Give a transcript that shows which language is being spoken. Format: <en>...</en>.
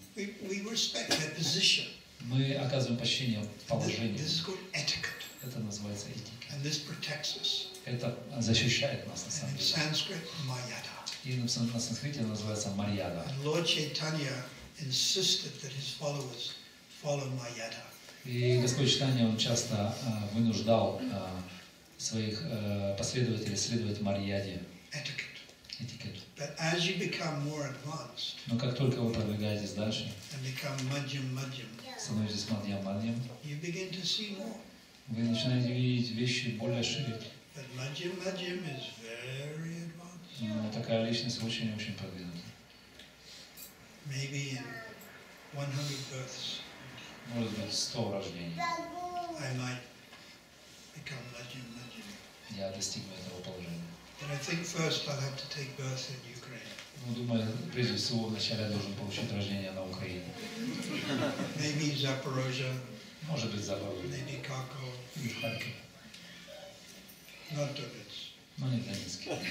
<en>We respect their position.</en> <ru>Мы оказываем почтение положению.</ru> <en>This is called etiquette.</en> <ru>Это называется этикет.</ru> <en>And this protects us.</en> <ru>Это защищает нас, на самом деле.</ru> <en>In Sanskrit, mayada.</en> <ru>И на санскрите называется марьяда.</ru> <en>And Lord Chaitanya insisted that his followers follow mayada.</en> <ru>И Господь Читания, он часто вынуждал своих последователей следовать марьяде.</ru> <en>Etiquette.</en> <ru>Этикету.</ru> <en>But as you become more advanced.</en> <ru>Но как только вы продвигаетесь дальше.</ru> <en>And become madhyam-madhyam.</en> <ru>Становитесь мадьям-мадьям.</ru> <en>You begin to see more.</en> <ru>Вы начинаете видеть вещи более шире.</ru> <en>But madhyam-madhyam is very advanced.</en> <ru>Но такая личность очень-очень продвинута.</ru> <en>Maybe in 100 births.</en> <ru>Может быть, 100 рождений.</ru> <en>I might become madhyam-madhyam.</en> <ru>Я достигну этого положения.</ru> <en>And I think first I'll have to take birth in Ukraine.</en> <ru>Ну, думаю, прежде всего, вначале я должен получить рождение на Украине.</ru> <en>Maybe Zaporozhye.</en> <ru>Может быть, Запорожье.</ru> <en>Maybe Kharkov.</en> <ru>И Харьков.</ru> <en>Not Donetsk.</en> <ru>Но не Донецк.</ru>